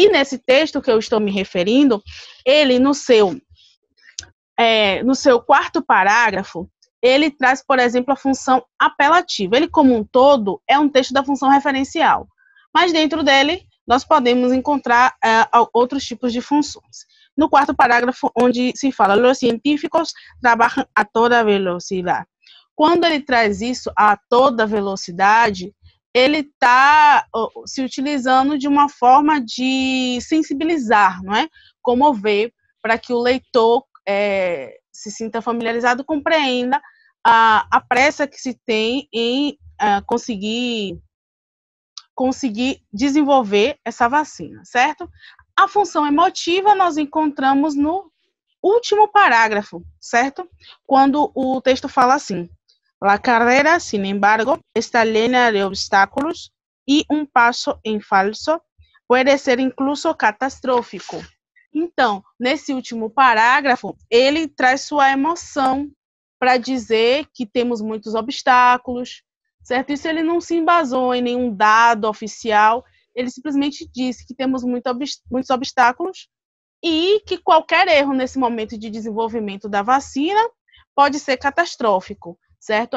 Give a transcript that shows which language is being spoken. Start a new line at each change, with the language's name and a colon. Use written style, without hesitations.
Portuguese: E nesse texto que eu estou me referindo, ele no seu quarto parágrafo, ele traz, por exemplo, a função apelativa. Ele, como um todo, é um texto da função referencial. Mas dentro dele, nós podemos encontrar outros tipos de funções. No quarto parágrafo, onde se fala,
Spanish: los científicos trabajan a toda velocidad.
Portuguese: Quando ele traz isso a toda velocidade, ele está se utilizando de uma forma de sensibilizar, não é? Comover, para que o leitor se sinta familiarizado, compreenda a pressa que se tem em conseguir desenvolver essa vacina, certo? A função emotiva nós encontramos no último parágrafo, certo? Quando o texto fala assim,
Spanish: La carrera, sin embargo, está llena de obstáculos y un paso en falso puede ser incluso catastrófico.
Portuguese: Então, nesse último parágrafo, ele traz sua emoção para dizer que temos muitos obstáculos, certo? Isso ele não se embasou em nenhum dado oficial, ele simplesmente disse que temos muitos obstáculos e que qualquer erro nesse momento de desenvolvimento da vacina pode ser catastrófico, certo?